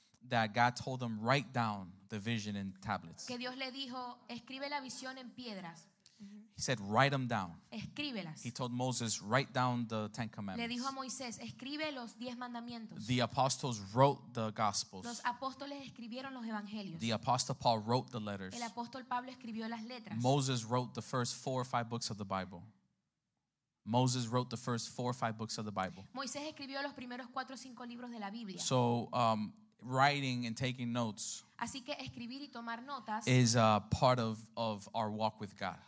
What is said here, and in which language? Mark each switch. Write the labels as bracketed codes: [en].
[en] That God told them write down the vision in tablets. [es] Que Dios le dijo, escribe la visión en piedras. [en] He said write them down. [es] Escríbelas. [en] He told Moses write down the Ten Commandments. [es] Le dijo a Moisés, escribe los 10 mandamientos. [en] The apostles wrote the gospels. [es] Los apóstoles escribieron los evangelios. [en] The apostle Paul wrote the letters. [es] El apóstol Pablo escribió las letras. [en] Moses wrote the first 4 or 5 books of the Bible. Moses wrote the first 4 or 5 books of the Bible. [es] Moisés escribió los primeros 4 o 5 libros de la Biblia. [en] So writing and taking notes, [es] así que escribir y tomar notas, [en] is a part of our walk with God.